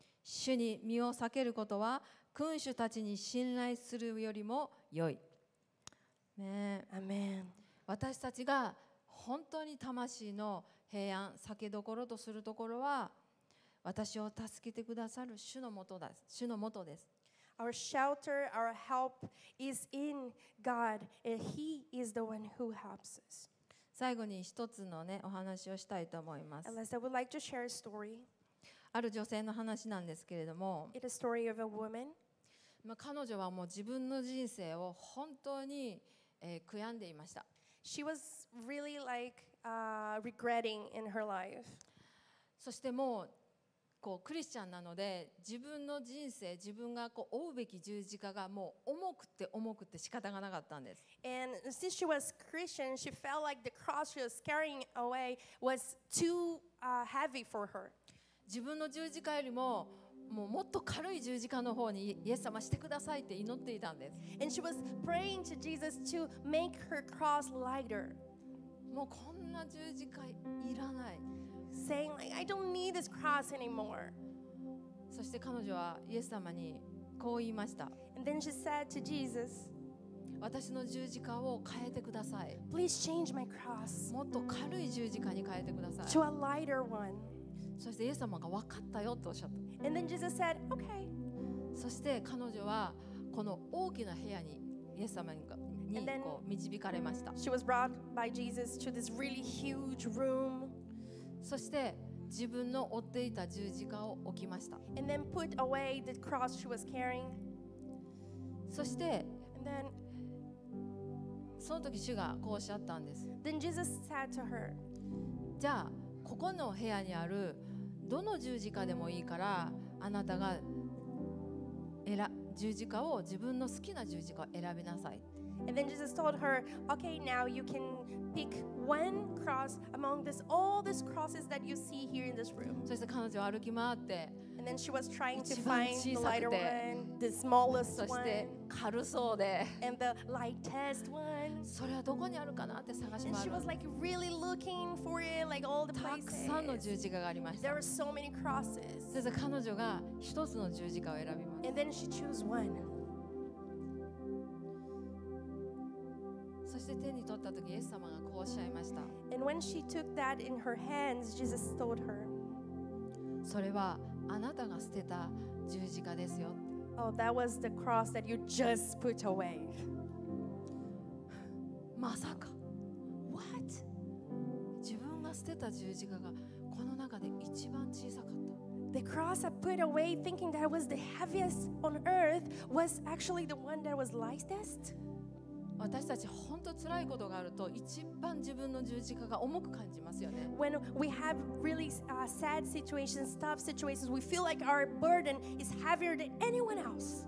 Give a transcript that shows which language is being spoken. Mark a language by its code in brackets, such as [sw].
[ja] 主に身を避けることは君主たちに信頼するよりも良い。ね、アメン。私たちが本当に魂の平安、酒どころとするところは、私を助けてくださる主のもとです。主のもとです。 [en] Our shelter, our help is in God, and He is the one who helps us. [ja] 最後に一つのね、お話をしたいと思います。 [en] Unless I would like to share a story. [ja] ある女性の話なんですけれども、 [en] It's a story of a woman. [ja] 彼女はもう自分の人生を本当に悔やんでいました。 [en] She was really like regretting in her life. [ja] そしてもうこうクリスチャンなので自分の人生、自分がこう追うべき十字架がもう重くて重くて仕方がなかったんです。 [en] And since she was Christian, she felt like the cross she was carrying away was too heavy for her. [ja] 自分の十字架よりも もっと軽い十字架の方にイエス様してくださいって祈っていたんです。 [en] And she was praying to Jesus to make her cross lighter. [ja] もうこんな十字架いらない。 [en] Saying like, I don't need this cross anymore. [ja] そして彼女はイエス様にこう言いました。 [en] And then she said to Jesus, [ja] 私の十字架を変えてください。 [en] Please change my cross. [ja] もっと軽い十字架に変えてください。 [en] To a lighter one. [ja] そしてイエス様が分かったよとおっしゃった。 [en] And then Jesus said, Okay. [ja] そして彼女はこの大きな部屋にイエス様にこう導かれました。 [en] She was brought by Jesus to this really huge room. [ja] そして自分の追っていた十字架を置きました。 [en] And then put away the cross she was carrying. [ja] そして [en] And then, [ja] その時主がこうおっしゃったんです。 [en] Then Jesus said to her, [ja] じゃあここの部屋にあるどの十字架でもいいからあなたが十字架を自分の好きな十字架を選びなさい。 [en] And then Jesus told her, Okay, now you can pick one cross among this, all these crosses that you see here in this room. [ja] そして彼女は歩き回って、 [en] And then she was trying to find the lighter one, the smallest one. [ja] そして軽そうで、 [en] And the lightest one. [ja] それはどこにあるかなって探し回る。 [en] And she was like really looking for it, like all the places. [ja] たくさんの十字架がありました。 [en] There were so many crosses. [ja] そして彼女が一つの十字架を選びました。 [en] And then she chose one. [ja] そして手に取った時、イエス様がこうおっしゃいました。 [en] And when she took that in her hands, Jesus told her, [ja] それはあなたが捨てた十字架ですよ。 [en] Oh, that was the cross that you just put away. [ja] まさか。 [en] What? [ja] 自分が捨てた十字架がこの中で一番小さかった。 [en] The cross I put away thinking that it was the heaviest on earth was actually the one that was lightest? [ja] 私たち本当辛いことがあると一番自分の十字架が重く感じますよね。 [en] When we have really sad situations, tough situations, we feel like our burden is heavier than anyone else.